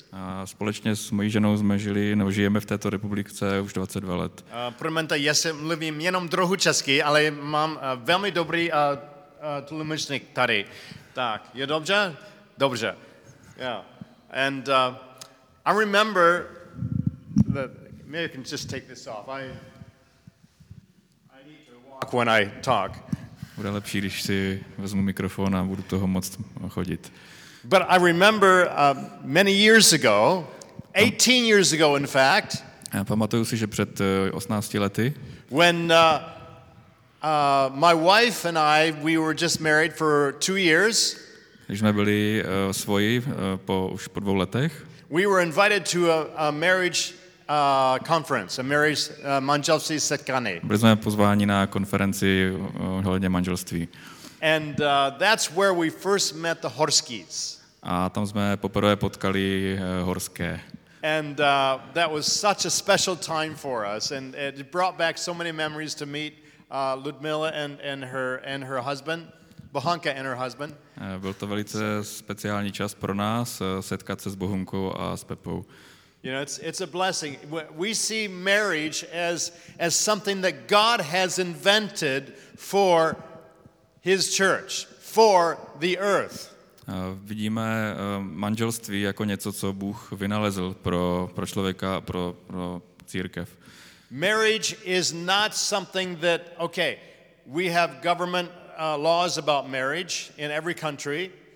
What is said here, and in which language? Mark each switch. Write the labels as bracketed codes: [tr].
[cs] A společně s mojí ženou jsme žili, nebo žijeme v této republice už 22 let. Promiňte, já se mluvím jenom trochu česky, ale mám velmi dobrý tlumočník tady. Tak, je dobře? Dobře. Yeah. [en] And I remember that maybe I can just take this off. I need to walk when I talk. [cs] Bude lepší, když si vezmu mikrofon a budu toho moc chodit. [en] But I remember many years ago, 18 years ago in fact. [cs] Já pamatuju si, že před 18 lety. [en] When my wife and I, we were just married for 2 years. [cs] Když jsme byli svoji už po dvou letech. [en] We were invited to a marriage conference, a marriage [cs] manželství setkání. Byli jsme pozváni na konferenci ohledně manželství. [en] And that's where we first met the Horskys. [cs] A tam jsme poprvé potkali Horské. [en] And that was such a special time for us, and it brought back so many memories to meet Ludmila and her husband, Bohunka and her husband. [cs] Byl to velice speciální čas pro nás setkat se s Bohunkou a s Pepou. [en] You know, it's a blessing. We see marriage as something that God has invented for his church, for the earth. [cs] Vidíme manželství jako něco, co Bůh vynalezl pro člověka, pro církev. [en] Marriage is not something that, okay, we have government laws about marriage in every country.